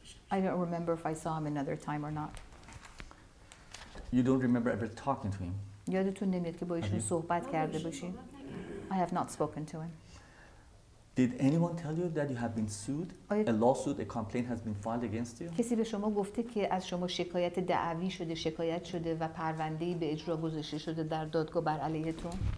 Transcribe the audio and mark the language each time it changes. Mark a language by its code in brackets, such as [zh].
[en] I don't remember if I saw him another time or not. You don't remember ever talking to him. [fa] یادتون نمیاد که با ایشون صحبت کرده باشیم. [en] I have not spoken to him. Did anyone tell you that you have been sued? A lawsuit, a complaint has been filed against you? [fa] کسی به شما گفته که از شما شکایت دعوی شده، شکایت شده و پرونده‌ای به اجرا گذاشته شده در دادگاه بر علیهتون؟